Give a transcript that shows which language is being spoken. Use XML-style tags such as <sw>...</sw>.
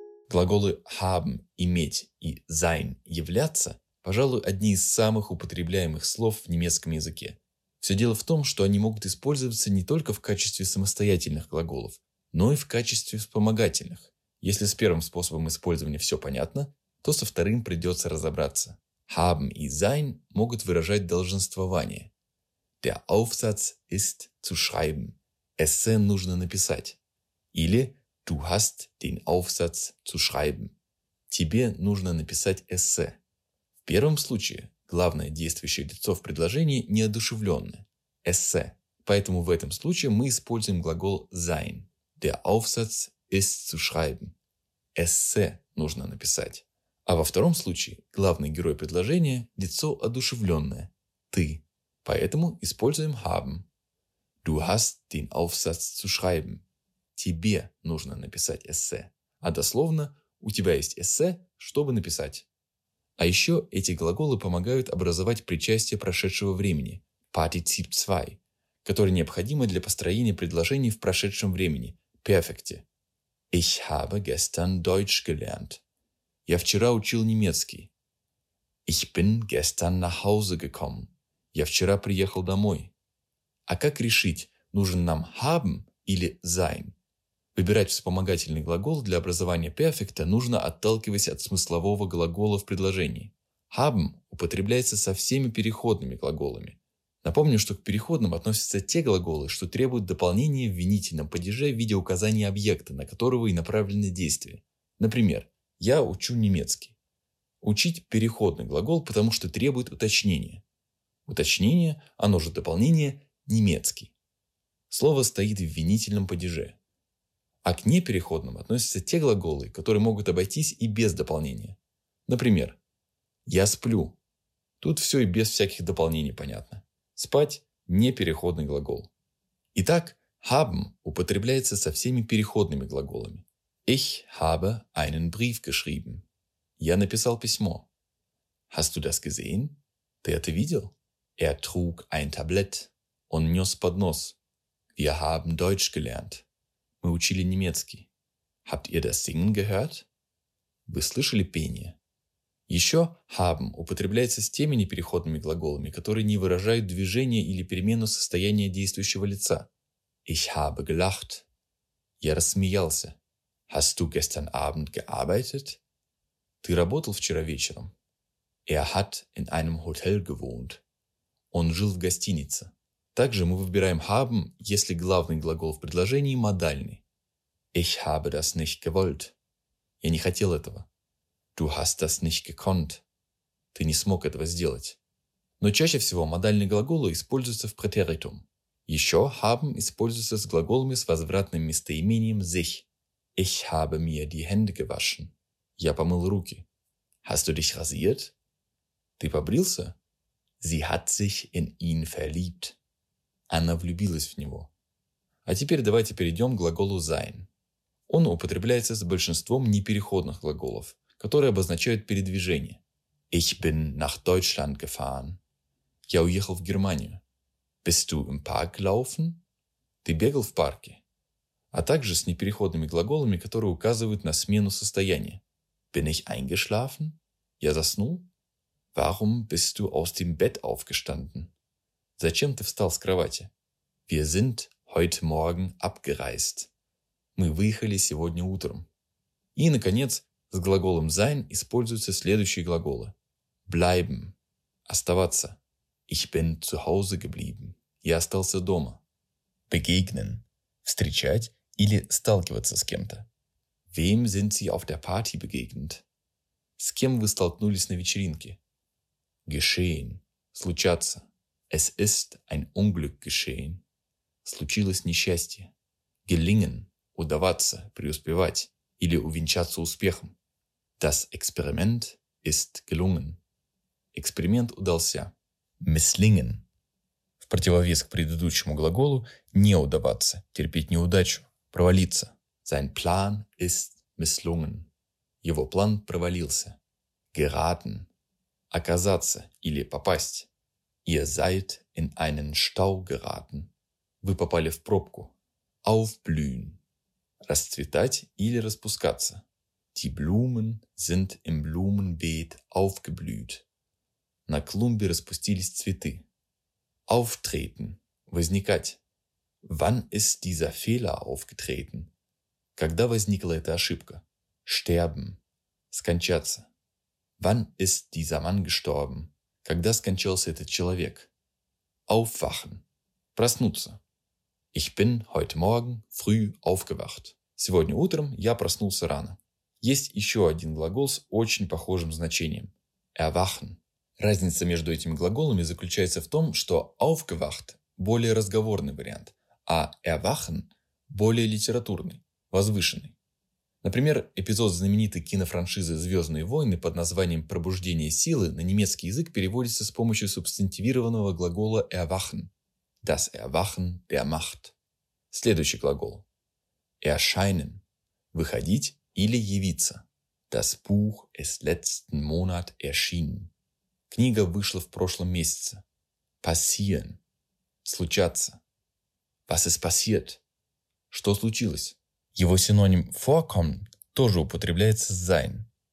<ru>Глаголы haben – иметь и sein – являться, пожалуй, одни из самых употребляемых слов в немецком языке. Все дело в том, что они могут использоваться не только в качестве самостоятельных глаголов, но и в качестве вспомогательных. Если с первым способом использования все понятно, то со вторым придется разобраться. Haben и sein могут выражать долженствование.</ru> <de>Der Aufsatz ist zu schreiben.</de> <ru>Эссе нужно написать. Или</ru> <de>du hast den Aufsatz zu schreiben.</de> <ru>Тебе нужно написать эссе. В первом случае главное действующее лицо в предложении неодушевленное. Эссе. Поэтому в этом случае мы используем глагол sein.</ru> <de>Der Aufsatz ist zu schreiben.</de> <ru>Эссе нужно написать. А во втором случае главный герой предложения – лицо одушевленное. Ты. Поэтому используем haben.</ru> <de>Du hast den Aufsatz zu schreiben.</de> <ru>Тебе нужно написать эссе. А дословно – у тебя есть эссе, чтобы написать. А еще эти глаголы помогают образовать причастие прошедшего времени – Partizip 2, которое необходимо для построения предложений в прошедшем времени – Perfekte.</ru> <de>Ich habe gestern Deutsch gelernt.</de> <ru>Я вчера учил немецкий.</ru> <de>Ich bin gestern nach Hause gekommen.</de> <ru>Я вчера приехал домой. А как решить, нужен нам haben или sein? Выбирать вспомогательный глагол для образования перфекта нужно, отталкиваясь от смыслового глагола в предложении. Haben употребляется со всеми переходными глаголами. Напомню, что к переходным относятся те глаголы, что требуют дополнения в винительном падеже в виде указания объекта, на которого и направлены действия. Например, я учу немецкий. Учить переходный глагол, потому что требует уточнения. Уточнение, оно же дополнение, немецкий. Слово стоит в винительном падеже. А к непереходным относятся те глаголы, которые могут обойтись и без дополнения. Например, я сплю. Тут все и без всяких дополнений понятно. Спать – непереходный глагол. Итак, haben употребляется со всеми переходными глаголами.</ru> <de>Ich habe einen Brief geschrieben.</de> <ru>Я написал письмо.</ru> <de>Hast du das gesehen?</de> <ru>Ты это видел?</ru> <de>Er trug ein Tablett.</de> <ru>Он нес поднос.</ru> <de>Wir haben Deutsch gelernt.</de> <ru>Мы учили немецкий.</ru> <de>Habt ihr das singen gehört?</de> <ru>Вы слышали пение? Еще haben употребляется с теми непереходными глаголами, которые не выражают движение или перемену состояния действующего лица.</ru> <de>Ich habe gelacht.</de> <ru>Я рассмеялся.</ru> <de>Hast du gestern Abend gearbeitet?</de> <ru>Ты работал вчера вечером.</ru> <de>Er hat in einem Hotel gewohnt.</de> <ru>Он жил в гостинице. Также мы выбираем haben, если главный глагол в предложении модальный.</ru> <de>Ich habe das nicht gewollt.</de> <ru>Я не хотел этого.</ru> <de>Du hast das nicht gekonnt.</de> <ru>Ты не смог этого сделать. Но чаще всего модальные глаголы используются в претеритум. Еще haben используется с глаголами с возвратным местоимением sich.</ru> <de>Ich habe mir die Hände gewaschen.</de> <ru>Я помыл руки.</ru> <de>Hast du dich rasiert?</de> <ru>Ты побрился?</ru> <de>Sie hat sich in ihn verliebt.</de> <ru>Она влюбилась в него. А теперь давайте перейдем к глаголу sein. Он употребляется с большинством непереходных глаголов, которые обозначают передвижение.</ru> <de>Ich bin nach Deutschland gefahren.</de> <ru>Я уехал в Германию.</ru> <de>Bist du im Park gelaufen?</de> <ru>Ты бегал в парке. А также с непереходными глаголами, которые указывают на смену состояния.</ru> <de>Bin ich eingeschlafen?</de> <ru>Я заснул?</ru> <de>Warum bist du aus dem Bett aufgestanden?</de> <ru>Зачем ты встал с кровати?</ru> <de>Wir sind heute Morgen abgereist.</de> <ru>Мы выехали сегодня утром. И, наконец, с глаголом sein используются следующие глаголы. Bleiben – оставаться.</ru> <de>Ich bin zu Hause geblieben.</de> <ru>Я остался дома. Begegnen – встречать или сталкиваться с кем-то.</ru> <de>Wem sind Sie auf der Party begegnet?</de> <ru>С кем вы столкнулись на вечеринке? Geschehen – случаться.</ru> <de>Es ist ein Unglück geschehen.</de> <ru>Случилось несчастье. Gelingen – удаваться, преуспевать или увенчаться успехом.</ru> <de>Das Experiment ist gelungen.</de> <ru>Эксперимент удался. Misslingen. В противовес к предыдущему глаголу не удаваться, терпеть неудачу, провалиться.</ru> <de>Sein Plan ist misslungen.</de> <ru>Его план провалился. Geraten. Оказаться или попасть.</ru> <de>Ihr seid in einen Stau geraten.</de> <ru>Вы попали в пробку. Aufblühen. Расцветать или распускаться.</ru> <de>Die Blumen sind im Blumenbeet aufgeblüht.</de> <ru>На клумбе распустились цветы. Auftreten. Возникать.</ru> <de>Wann ist dieser Fehler aufgetreten?</de> <ru>Когда возникла эта ошибка? Sterben. Скончаться.</ru> <de>Wann ist dieser Mann gestorben?</de> <ru>Когда скончался этот человек? Aufwachen. Проснуться.</ru> <de>Ich bin heute Morgen früh aufgewacht.</de> <ru>Сегодня утром я проснулся рано. Есть еще один глагол с очень похожим значением.</ru> <de>Erwachen.</de> <ru>Разница между этими глаголами заключается в том, что aufgewacht – более разговорный вариант, а erwachen – более литературный, возвышенный. Например, эпизод знаменитой кинофраншизы «Звездные войны» под названием «Пробуждение силы» на немецкий язык переводится с помощью субстантивированного глагола erwachen.</ru> <de>Das erwachen der Macht.</de> <ru>Следующий глагол.</ru> <de>Erscheinen.</de> <ru>Выходить или явиться.</ru> <de>Das Buch ist letzten Monat erschienen.</de> <ru>Книга вышла в прошлом месяце.</ru> <de>Passieren. Случаться. Was ist passiert?</de> <ru>Что случилось? Его синоним vorkommen тоже употребляется с sein.</ru>